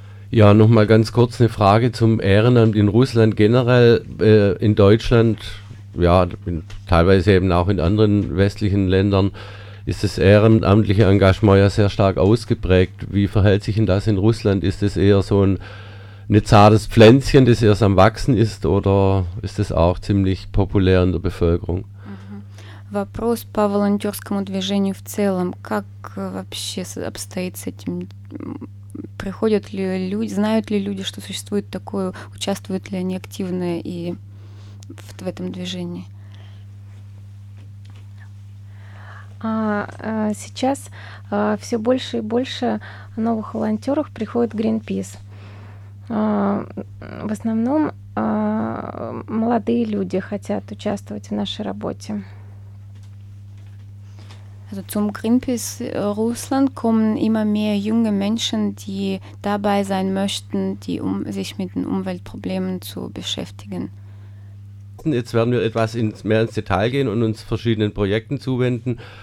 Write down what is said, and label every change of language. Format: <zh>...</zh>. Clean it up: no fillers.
<de>Ja, nochmal ganz kurz eine Frage zum Ehrenamt in Russland generell, in Deutschland, teilweise eben auch in anderen westlichen Ländern. Ist das ehrenamtliche Engagement ja sehr stark ausgeprägt. Wie verhält sich denn das in Russland? Ist es eher so ein zartes Pflänzchen, das erst am Wachsen ist, oder ist es auch ziemlich populär in der Bevölkerung?</de> <ru>Вопрос по волонтерскому движению в целом. Как вообще обстоит с этим? Приходят ли люди, знают ли люди, что существует такое, участвуют ли они активно и в этом движении? Сейчас все больше и больше новых волонтеров приходит в Greenpeace. В основном молодые люди хотят участвовать в нашей работе.</ru> <de>Also zum Greenpeace Russland kommen immer mehr junge Menschen, die dabei sein möchten, die sich mit den Umweltproblemen zu beschäftigen. Jetzt werden wir etwas mehr ins Detail gehen und uns verschiedenen Projekten zuwenden.</de>